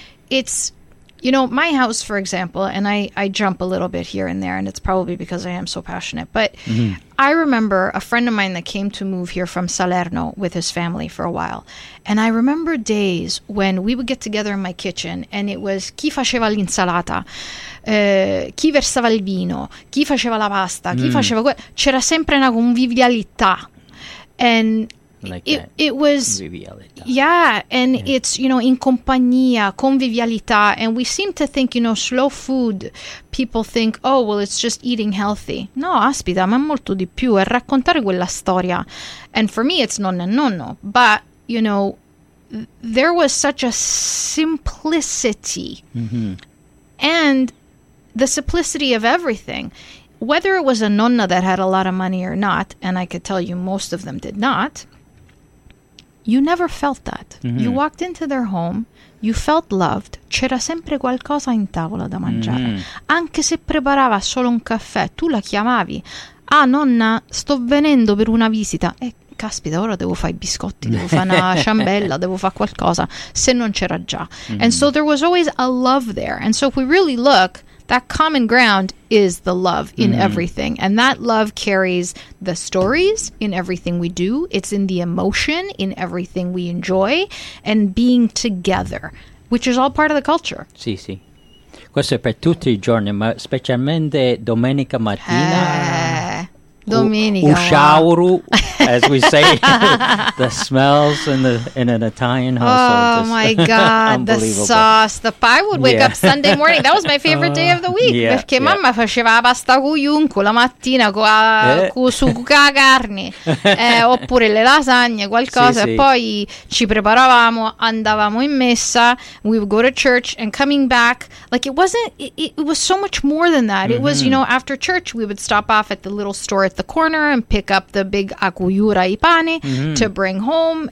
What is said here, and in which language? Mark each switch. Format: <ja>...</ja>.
<en>it's, you know, my house, for example, and I jump a little bit here and there, and it's probably because I am so passionate, but I remember a friend of mine that came to move here from Salerno with his family for a while, and I remember days when we would get together in my kitchen, and it was</en> <it>chi faceva l'insalata, chi versava il vino, chi faceva la pasta, chi faceva c'era sempre una convivialità,</it> <en>and... It's, you know,</en> <it>in compagnia, convivialità,</it> <en>and we seem to think, you know, slow food, people think, oh, well, it's just eating healthy.</en> <it>No, aspita, ma molto di più, è raccontare quella storia.</it> <en>And for me, it's nonna e nonno, but, you know, there was such a simplicity, and the simplicity of everything. Whether it was a nonna that had a lot of money or not, and I could tell you most of them did not... You never felt that. Mm-hmm. You walked into their home, you felt loved.</en> <it>C'era sempre qualcosa in tavola da mangiare. Mm-hmm. Anche se preparava solo un caffè, tu la chiamavi. Ah, nonna, sto venendo per una visita. Caspita, ora devo fare i biscotti, devo fare una ciambella, devo fare qualcosa. Se non c'era già. Mm-hmm.</it> <en>And so there was always a love there. And so if we really look, that common ground is the love in everything. And that love carries the stories in everything we do. It's in the emotion in everything we enjoy and being together, which is all part of the culture.</en> <it>Sì, sì. Questo è per tutti I giorni, ma specialmente domenica mattina. Domenica.</it> <en>Ushauru, as we say, the smells in an Italian household. Oh my God, the sauce. I would wake up Sunday morning. That was my favorite day of the week. Yeah,</en> <it>perché mamma faceva la pasta con yunco la mattina su la carne, oppure le lasagne, qualcosa. Sì, sì. Poi ci preparavamo, andavamo in messa,</it> <en>we would go to church, and coming back, like it wasn't, it was so much more than that. Mm-hmm. It was, you know, after church, we would stop off at the little store. the corner and pick up the big akuyura ipane mm-hmm. to bring home.</en>